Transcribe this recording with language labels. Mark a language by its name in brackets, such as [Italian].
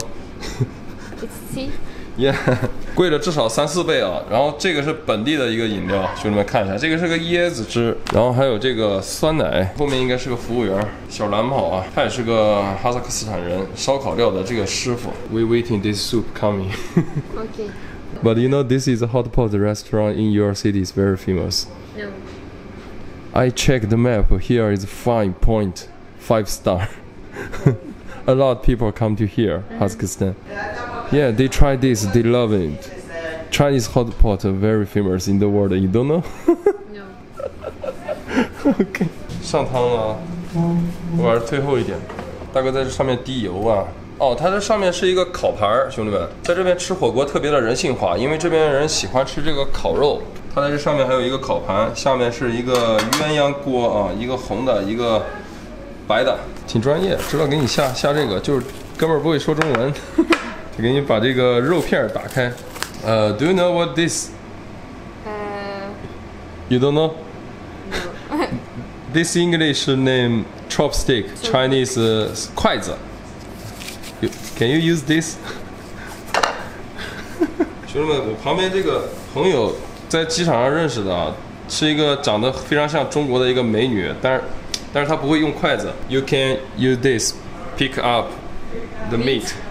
[English] It's tea. [Chinese] Yeah, 贵了至少3-4倍啊。然后这个是本地的一个饮料，兄弟们看一下，这个是个椰子汁，然后还有这个酸奶。后面应该是个服务员，小蓝帽啊，他也是个哈萨克斯坦人，烧烤料的这个师傅。 [English] We waiting this soup coming. Okay. But you know this is a hot pot restaurant in your city is very famous. No. I checked the map. Here is 5 point, 5-star. A lot of people come to here, Kazakhstan. Yeah, they try this. They love it. Chinese hot pot very famous in the world. You don't know? No. Okay. [Chinese] 上汤了，我玩最后一点。大哥在这上面滴油啊，哦，它这上面是一个烤盘，兄弟们，在这边吃火锅特别的人性化，因为这边人喜欢吃这个烤肉。它在这上面还有一个烤盘，下面是一个鸳鸯锅啊，一个红的，一个白的，挺专业，知道给你下这个，就是哥们儿不会说中文，就给你把这个肉片打开。 [English] Do you know what this? You don't know? This English name chopstick Chinese 筷子。Can you use this? [Chinese] 兄弟们，我旁边这个朋友在机场上认识的，是一个长得非常像中国的一个美女，但是她不会用筷子。 [English] You can use this, pick up the meat.